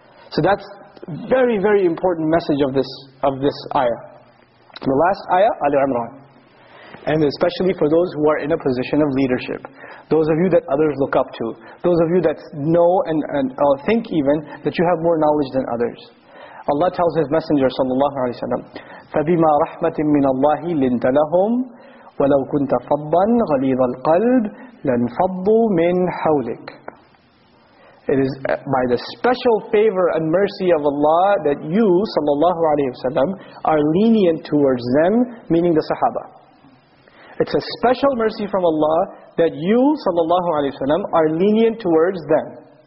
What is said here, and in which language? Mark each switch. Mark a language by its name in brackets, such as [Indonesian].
[English] So that's very, very important message of this ayah. The last ayah, Ali Imran. And especially for those who are in a position of leadership. Those of you that others look up to. Those of you that know and think even that you have more knowledge than others. Allah tells His Messenger sallallahu alayhi wa sallam, [Arabic] فَبِمَا رَحْمَةٍ مِّنَ اللَّهِ لِنْتَ لَهُمْ وَلَوْ كُنْتَ فَضًّا غَلِيظَ الْقَلْبِ لَنْفَضُّوا مِّنْ حَوْلِكَ. [English] It is by the special favor and mercy of Allah that you, sallallahu alayhi wa sallam, are lenient towards them, meaning the Sahaba. It's a special mercy from Allah that you, sallallahu alayhi wa sallam, are lenient towards them.